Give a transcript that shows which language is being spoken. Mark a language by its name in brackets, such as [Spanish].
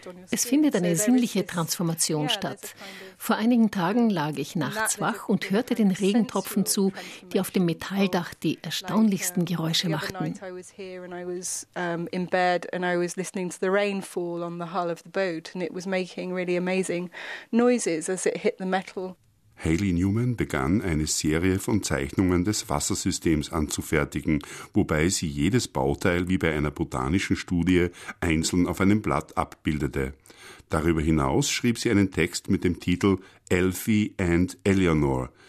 [German] Es findet eine sinnliche Transformation statt. Vor einigen Tagen lag ich nachts wach und hörte den Regentropfen zu, die auf dem Metalldach die erstaunlichsten Geräusche machten. [English] I was here and I was in bed and I was listening to the rainfall on the hull of the boat and it was making really amazing noises as it hit the metal. [German] Hayley Newman begann, eine Serie von Zeichnungen des Wassersystems anzufertigen, wobei sie jedes Bauteil wie bei einer botanischen Studie einzeln auf einem Blatt abbildete. Darüber hinaus schrieb sie einen Text mit dem Titel Elfie and Eleanor.